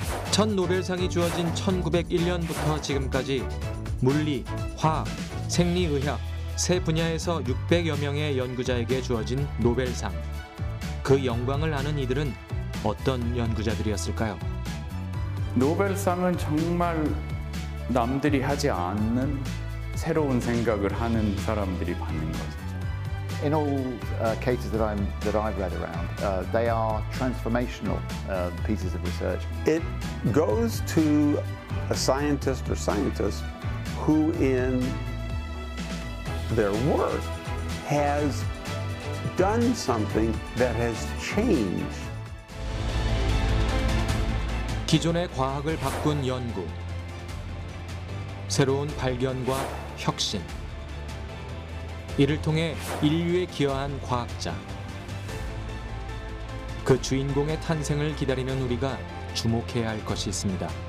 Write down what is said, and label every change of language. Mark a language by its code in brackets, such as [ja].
[ko] 첫 노벨상이 주어진 1901년부터 지금까지 물리, 화학, 생리의학 세 분야에서 600여 명의 연구자에게 주어진 노벨상. 그 영광을 아는 이들은 어떤 연구자들이었을까요? 노벨상은 정말 남들이 하지 않는 새로운 생각을 하는 사람들이 받는 거죠. [en] In all cases that I've read around, they are transformational pieces of research. It goes to a scientist or scientists who in their work has done something that has changed. [ko] 기존의 과학을 바꾼 연구, 새로운 발견과 혁신. 이를 통해 인류에 기여한 과학자. 그 주인공의 탄생을 기다리는 우리가 주목해야 할 것이 있습니다.